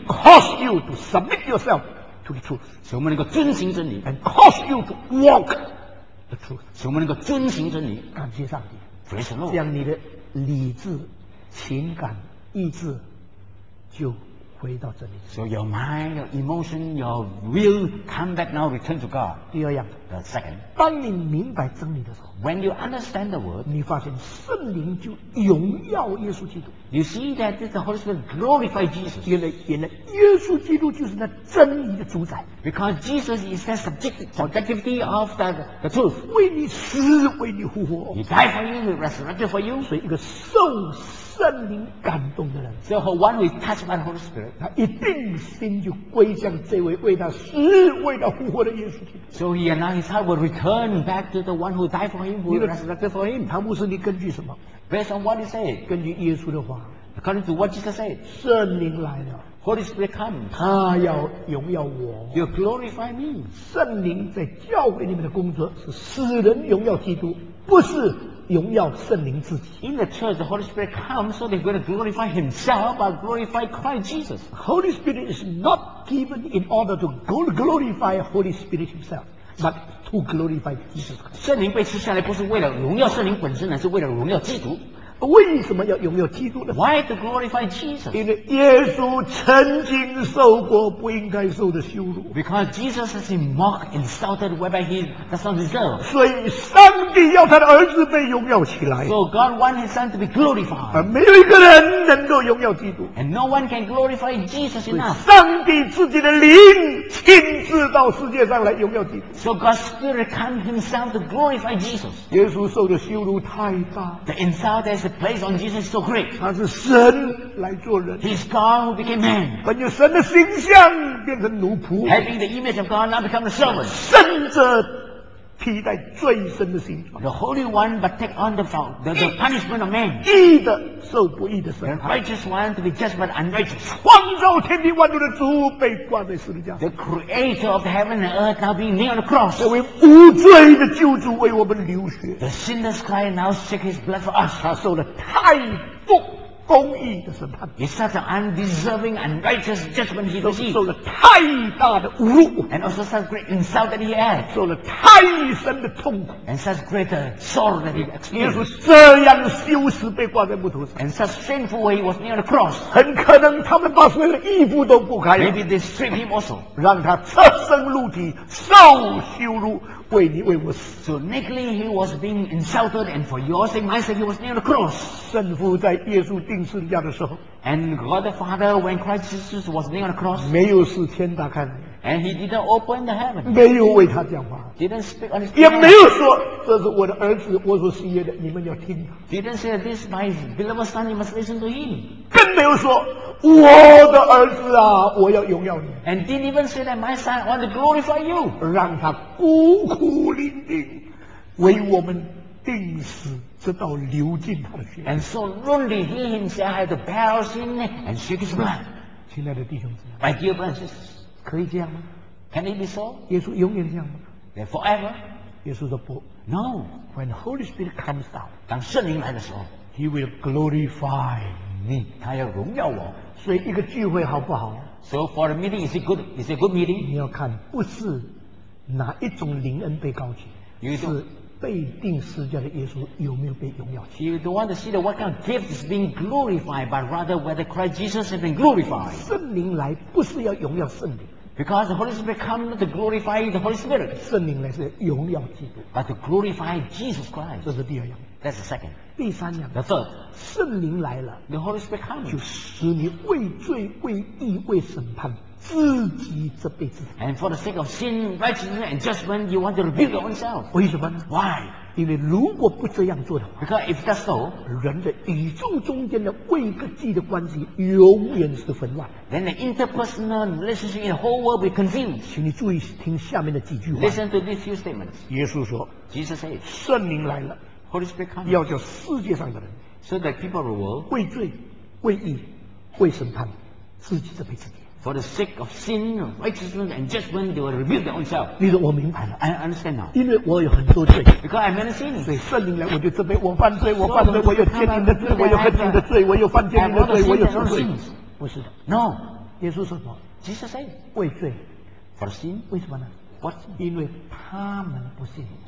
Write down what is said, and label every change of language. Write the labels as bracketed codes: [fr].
[en] ；cause you to submit yourself to to the truth. [zh] 使我们能够遵行真理。 [en] And cause you to walk the truth. [zh] 使我们能够遵行真理。感谢上帝。 [en] Praise the Lord. [zh] 这样你的理智、情感、意志就回到真理。 [en] So your mind, your emotion, your will come back now, return to God. [zh] 第二样。 [en] The second. [zh] 当你明白真理的时候。 [en] When you understand the word. [zh] 你发现圣灵就荣耀耶稣基督。 [en] You see that the Holy Spirit glorified Jesus. [zh] 原来耶稣基督就是那真理的主宰。 [en] Because Jesus is the subjectivity of the truth. [zh] 为你死，为你复活。 [en] He died for you, he resurrected for you. [zh] 所以一个受圣灵感动的人 [en] ，So for one who is touched by the Holy Spirit， [zh] 他一定心就归向这位为他死、为他复活的耶稣基督。 [en] So he and now his heart will return back to the one who died for him, who resurrected for him。 [zh] 唐牧师，你根据什么 [en] ？Based on what he said， [zh] 根据耶稣的话。 [en] According to what Jesus said， [zh] 圣灵来了 [en] ，Holy Spirit come， [zh] 他要荣耀我 [en] ，You glorify me。 [zh] 圣灵在教会里面的工作是使人荣耀基督，不是。荣耀圣灵自己。 [en] In the church, the Holy Spirit comes so they're going to glorify Himself, but glorify Christ Jesus. Holy Spirit is not given in order to glorify Holy Spirit Himself, but to glorify Jesus Christ. [zh] 圣灵被赐下来不是为了荣耀圣灵本身，而是为了荣耀基督。为什么要荣耀基督呢 [en] ？Why to glorify Jesus? [zh] 因为耶稣曾经受过不应该受的羞辱。 [en] Because Jesus has been mocked, insulted, whereby he does not deserve. [zh] 所以上帝要他的儿子被荣耀起来。 [en] So God wants his son to be glorified. [zh] 而没有一个人能够荣耀基督。 [en] And no one can glorify Jesus enough. [zh] 上帝自己的灵亲自到世界上来荣耀基督。 [en] So God's Spirit came himself to glorify Jesus. [zh] 耶稣受的羞辱太大。 [en] The insult that The place on Jesus is so great. [zh] 他是神来做人。 [en] He's God who became man. [zh] 本有神的形象变成奴仆。 [en] Having the image of God now become a servant. [zh] 圣者替代罪身的形状。 [en] The Holy One but take on the punishment of man. [zh] 义的受不义的审判。 [en] The righteous one to be judged by the unrighteous. [zh] 创造天地万物的主被挂在十字架。 [en] The Creator of heaven and earth now being nailed on the cross. [zh] 这位无罪的救主为我们流血。 [en] The sinner's cry now shed his blood for us. [zh] 他受了太不公义的审判。 [en] He such an undeserving and righteous judgment he received. [zh] 受了太大的侮辱。 [en] And also such great insult that he had. [zh] 受了太深的痛苦。 [en] And such great sorrow that he experienced. [zh] 耶稣这样羞耻被挂在木头上。 [en] And such shameful way he was near the cross. [zh] 很可能他们把所有的衣服都剥开了。 [en] Maybe they stripped him also. [zh] 让他赤身露体受羞辱。为你为我死。 [en] So nakedly he was being insulted, and for your sake, my sake, he was nailed to the cross. [zh] 圣父在耶稣钉十字架的时候。 [en] And God the Father, when Christ Jesus was nailed to the cross. [zh] 没有四天打开。 [en] And he didn't open the heaven. [zh] 没有为他讲话。 [en] Didn't speak on his [zh] behalf. 也没有说这是我的儿子，我所喜悦的，你们要听他。 [en] Didn't say that this is my beloved son, you must listen to him. [zh] 更没有说我的儿子啊，我要荣耀你。 [en] And didn't even say that my son, I want to glorify you. [zh] 让他孤苦伶仃，为我们钉死，直到流尽他的血。 [en] And so lonely he himself had to bear our sin and shed his blood. [zh] 亲爱的弟兄姊妹 [en] ，My dear brothers, [zh] 可以这样吗 [en] ？Can it be so? [zh] 耶稣永远这样吗 [en] ？Then forever? [zh] 耶稣说不。 [en] No. When Holy Spirit comes down, [zh] 当圣灵来的时候 [en] ，He will glorify. [zh] 他要荣耀我，所以一个聚会好不好 [en] ？So for a meeting is it good? Is it good meeting? [zh] 你要看不是哪一种灵恩被高举， [en] you、 [zh] 是被钉十字架的耶稣有没有被荣耀起 [en] ？You don't want to see the what kind of gift is being glorified, but rather whether Christ Jesus has been glorified. [zh] 圣灵来不是要荣耀圣灵 [en] ，because the Holy Spirit comes to glorify the Holy Spirit. [zh] 圣灵来是荣耀基督 [en] ，but to glorify Jesus Christ. [zh] 这是第二样。 [en] That's the second. [zh] 第三样。 [en] The third. [zh] 圣灵来了。 [en] The Holy Spirit comes. [zh] 就使你为罪、为义、为审判自己这辈子。 [en] And for the sake of sin, righteousness, and judgment, you want to rebuild yourself. [zh] 为什么呢 [en] ？Why? [zh] 因为如果不这样做的话 [en] ，Because if that's so, [zh] 人的宇宙中间的位格际的关系永远是混乱。 [en] Then the interpersonal relationship in the whole world will be confused. [zh] 请你注意听下面的几句话。 [en] Listen to these few statements. [zh] 耶稣说 [en] ，Jesus said, [zh] 圣灵来了。 [en] Holy Spirit comes. [zh] 要叫世界上的人 [en] ，so that people of the world [zh] 为罪、为义、为审判，自己责备自己。 [en] For the sake of sin, righteousness, and judgment, they will rebuild their own self. [zh] 你说我明白了 [en] ，I understand now. [zh] 因为我有很多罪 [en] ，because I many sins. [zh] 所以圣灵来，我就责备我犯罪，我犯罪，我有奸淫的罪，我有恨淫的罪，我有犯奸淫的罪，我有什么罪？不是的 [en] ，No. [zh] 耶稣说什么 [en] ？Jesus said, [zh] 为罪、 [en] for sin? [zh] 为什么呢？ [en] What? [zh] 因为他们不信。